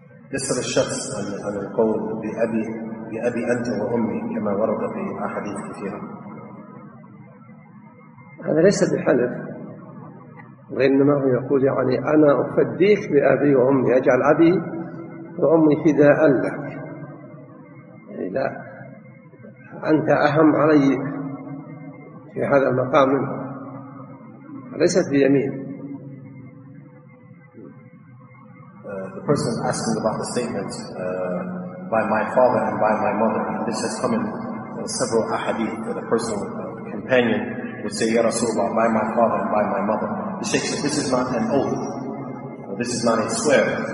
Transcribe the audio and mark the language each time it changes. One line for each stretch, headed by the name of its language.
English: This is a shakhs on the call of the Abi.
Arabic: بأبي أنت وأمي كما ورد في أحاديث كثيرة. هذا ليس بحلف، وإنما هو يقول يعني أنا أفديك بأبي وأمي، أجعل أبي وأمي فداء لك، يعني لا أنت أهم علي في هذا المقام، ليست بيمين.
English: The person asking about the statement by my father and by my mother. And this has come in several ahadith that a person, a companion, would say, Ya Rasulullah, by my father and by my mother. The Shaykh said, this is not an oath, or this is not a swear.